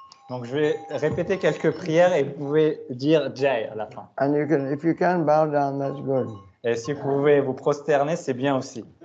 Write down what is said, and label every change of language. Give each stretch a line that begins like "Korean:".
French: Donc je vais répéter quelques prières et vous pouvez dire Jai à la fin.
English: And you can, if you can bow down, that's good.
French: Et si vous pouvez vous prosterner, c'est bien aussi.